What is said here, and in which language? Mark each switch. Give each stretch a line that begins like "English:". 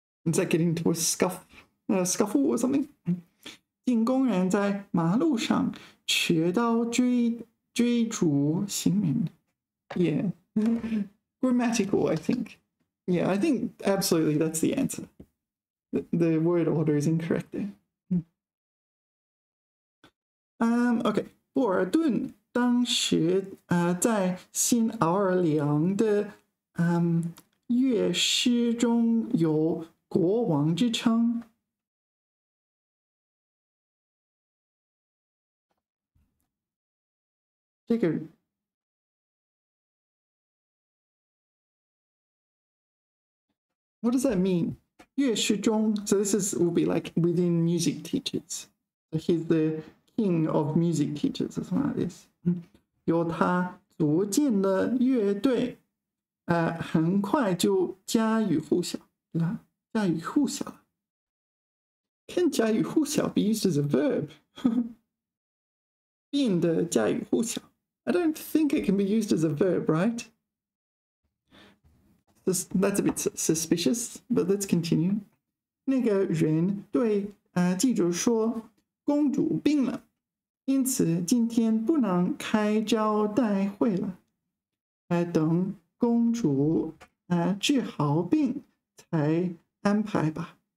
English: Is that getting into a scuffle or something?
Chinese: 警工人在马路上持刀追逐行人。
English: Yeah. Grammatical, I think. Yeah, I think absolutely that's the answer. The word order is incorrect there. Okay.
Chinese: 波尔顿当时在新奥尔良的乐师中有国王之称。
English: 这个What does that mean? 乐师中 So this is, will be like within music teachers. So he's the king of music teachers or something like this.
Chinese: 由他组建的乐队很快就家喻户晓。
English: 家喻户晓。Can 家喻户晓 be used as a verb?
Chinese: 变得家喻户晓。
English: I don't think it can be used as a verb, right? That's a bit suspicious, but let's continue.
Chinese: 那个人对记者说公主病了，因此今天不能开招待会了，等公主治好病才安排吧。